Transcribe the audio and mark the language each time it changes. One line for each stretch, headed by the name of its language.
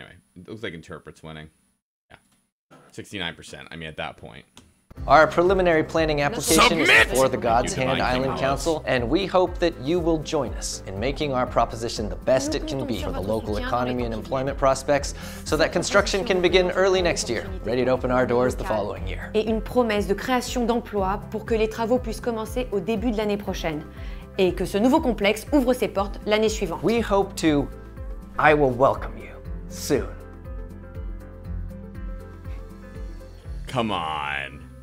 English: Anyway, it looks like interpret's winning. Yeah. 69%. I mean, at that point. Our preliminary planning application is before the God's Hand Island Council, and we hope that you will join us in making our proposition the best it can be for the local economy and employment prospects, so that construction can begin early next year, ready to open our doors the following year.
French: Et une promesse de création d'emplois pour que les travaux puissent commencer au début de l'année prochaine, et que ce nouveau complexe ouvre ses portes l'année suivante.
English: We hope to, I will welcome you soon. Come on.